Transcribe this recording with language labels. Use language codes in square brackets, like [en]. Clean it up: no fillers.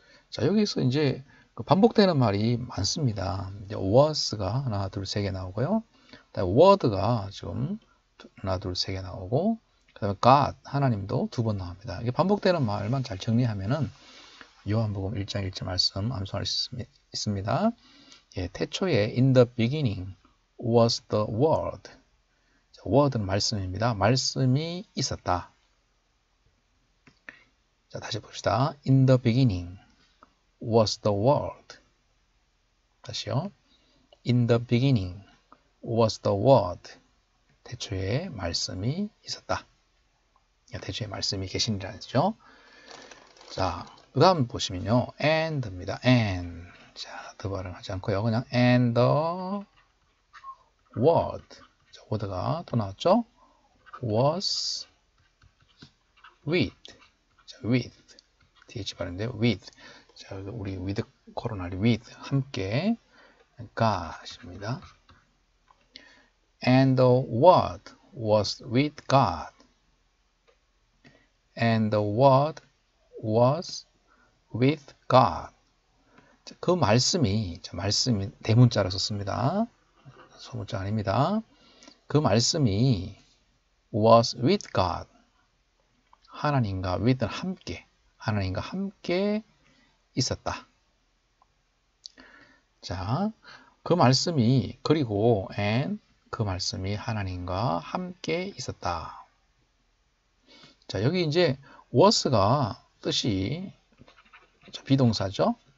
[ko] 자, 여기서 이제 반복되는 말이 많습니다. 이제 was가 하나, 둘, 세개 나오고요. 그다음에 word가 지금 하나, 둘, 세개 나오고. 그다음에 God, 하나님도 두번 나옵니다. 이게 반복되는 말만 잘 정리하면은 요한복음 1장 1절 말씀 암송할 수 있습니다. 예, 태초에 [en] in the beginning was the word. [ko] 자, word는 말씀입니다. 말씀이 있었다. 자, 다시 봅시다. [en] In the beginning was the word. [ko] 다시요. [en] In the beginning was the word. [ko] 태초에 말씀이 있었다. 대체 말씀이 계신다죠. 자, 그 다음 보시면요. and입니다. and. 자, 더 발음하지 않고요. [en] 그냥 and the word. [ko] 자, word가 또 나왔죠. was with. 자, with. th 발음인데요. with. 자, 우리 with 코로나리 with 함께 God입니다. [en] and the word was with God. And the word was with God. [ko] 자, 그 말씀이, 자, 말씀이 대문자로 썼습니다. 소문자 아닙니다. 그 말씀이 [en] was with God. [ko] 하나님과 with는 함께, 하나님과 함께 있었다. 자, 그 말씀이 그리고 and 그 말씀이 하나님과 함께 있었다. 자, 여기 이제 was가 뜻이 비동사죠.